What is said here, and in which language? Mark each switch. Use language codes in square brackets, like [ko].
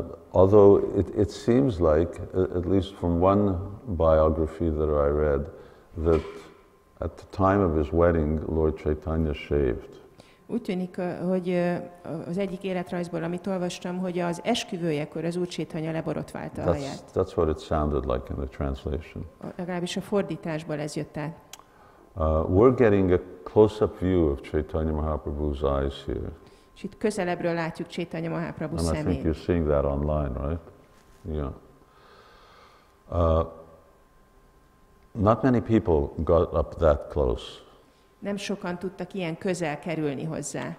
[en] Although it seems like, at least from one biography that I read, that at the time of his wedding, Lord Chaitanya shaved. [hu] Úgy tűnik, hogy az egyik életrajzból, amit olvastam, hogy az esküvőjekor az Úr Chaitanya leborotválta a haját. [en] That's what it sounded like in the translation. [hu] Legalábbis a fordításból ez jött át. [en] We're getting a close-up view of Chaitanya Mahaprabhu's eyes here. [hu] És itt közelebbről látjuk Chaitanya Mahaprabhu szemét. [en] And I think you're seeing that online, right? Yeah. Not many people got up that close. [hu] Nem sokan tudtak ilyen közel kerülni hozzá.